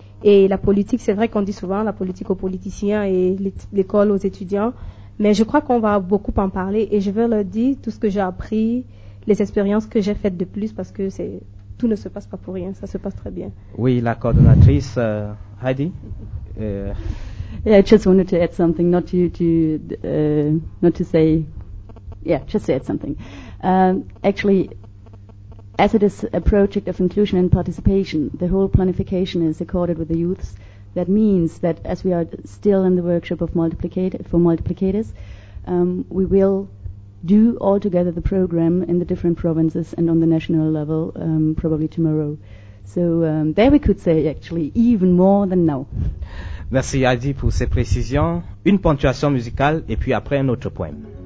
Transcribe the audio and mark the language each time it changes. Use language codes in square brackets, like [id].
[fr] Et la politique, c'est vrai qu'on dit souvent la politique aux politiciens et l'école aux étudiants, mais je crois qu'on va beaucoup en parler, et je vais leur dire tout ce que j'ai appris, les expériences que j'ai faites de plus, parce que c'est, tout ne se passe pas pour rien, ça se passe très bien. Oui, la coordonnatrice Heidi. [en] I just wanted to add something, not to say something. Actually, as it is a project of inclusion and participation, the whole planification is accorded with the youths. That means that as we are still in the workshop of multiplicators, we will do all together the program in the different provinces and on the national level, probably tomorrow. So there we could say, actually, even more than now. [fr] Merci Adi pour ces précisions. Une ponctuation musicale et puis après un autre poème.